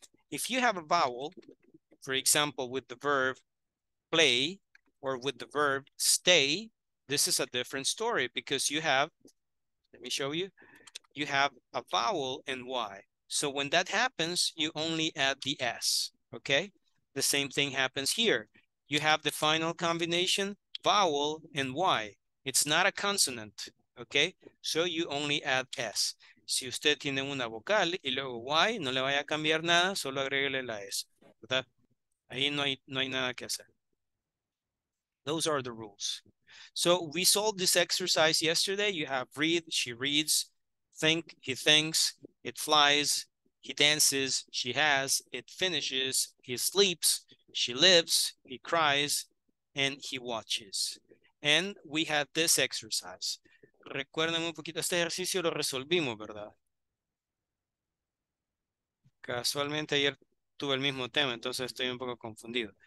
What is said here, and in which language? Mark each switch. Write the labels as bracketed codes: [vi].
[en] If you have a vowel, for example, with the verb play or with the verb stay, this is a different story because you have, let me show you, you have a vowel and Y. So when that happens, you only add the S, okay? The same thing happens here. You have the final combination, vowel and Y. It's not a consonant, okay? So you only add S. [es] Si usted tiene una vocal y luego Y, no le vaya a cambiar nada, solo agréguele la S, ¿verdad? Ahí no hay nada que hacer. [en] Those are the rules. So we solved this exercise yesterday. You have read, she reads, think, he thinks, it flies, he dances, she has, it finishes, he sleeps, she lives, he cries, and he watches. And we have this exercise. [es] Recuerden un poquito, este ejercicio lo resolvimos, ¿verdad? Casualmente ayer tuve el mismo tema, entonces estoy un poco confundido.